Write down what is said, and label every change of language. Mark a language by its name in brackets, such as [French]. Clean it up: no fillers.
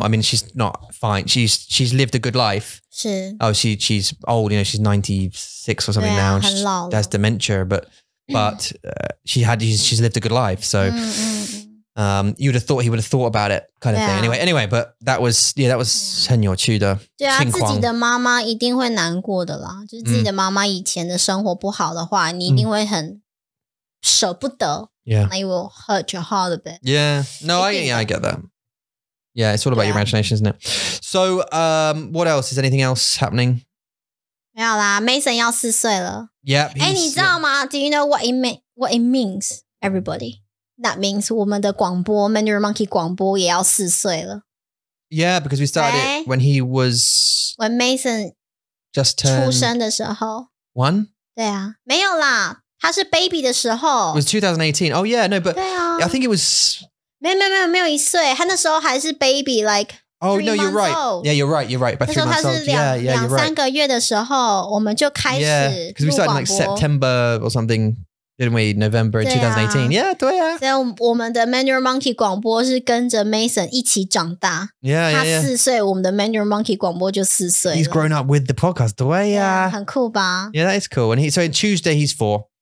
[English] I mean, she's not fine. She's lived a good life. [Chinese] 是. [English] Oh, she's old, you know, she's 96 or something now. She has dementia, but she's lived a good life. So you'd have thought he would have thought about it kind of thing. Anyway, but that was [Chinese] 很有趣的情况。对啊，自己的妈妈一定会难过的啦。就是自己的妈妈以前的生活不好的话，你一定会很舍不得。 [English] Yeah. Like it will hurt your heart a bit. Yeah. No, I get that. Yeah, it's all about your imagination, isn't it? So, what else? Is anything else happening? [Chinese] 没有啦, Mason 要四岁了。 [English] Yep. [Chinese] 诶,你知道吗? [English] Do you know what it means, everybody? That means [Chinese] 我们的广播, Mandarin Monkey 广播也要四岁了。 [English] Yeah, because we started it when he was... When Mason... Just turned... [Chinese] 出生的时候。 [English] One? [Chinese] 对啊,没有啦, 他是baby的时候。 [English] It was 2018. Oh yeah, no, but I think it was... [Chinese] 没有一岁, 他那时候还是baby, like... [English] Oh, no, you're right. Yeah, you're right. You're right. By 3 months old. Yeah, you're right. [Chinese] 两三个月的时候, 我们就开始录广播。 [English] Yeah, because we started like September or something, didn't we? November 2018. Yeah, [Chinese] 对啊。所以我们的 Mandarin Monkey 广播是跟着 Mason一起长大。 [English] Yeah. [Chinese] 他四岁, 我们的 Mandarin Monkey 广播就四岁了。 [English] He's grown up with the podcast, [Chinese] 对啊。很酷吧? [English] Yeah, that is cool. And so on Tuesday, he's four.